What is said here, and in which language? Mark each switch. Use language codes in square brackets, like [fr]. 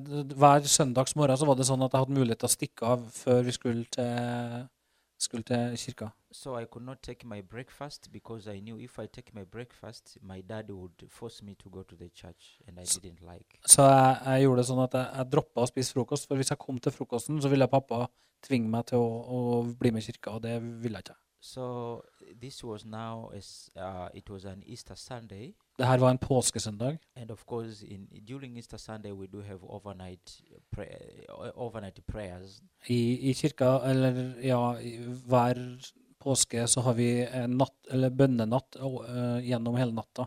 [no] Hver søndagsmorgen så var det sånn at jeg hadde mulighet til å stikke av før vi skulle til kirka. [en] So I could not take my breakfast because I knew if I take my breakfast, my dad would force me to go to the church and I didn't like. [no] Så jeg gjorde det sånn at jeg droppet å spise frokost, for hvis jeg kom til frokosten så ville pappa tvinge meg til å bli med kirka, og det ville jeg ikke. [en] So this was now, it was an Easter Sunday. [no] Det her var en påskesøndag. [en] And of course, during Easter Sunday, we do have overnight prayers. [no] I kirka, eller ja, hver påske, så har vi natt, eller bønnenatt, gjennom hele natta.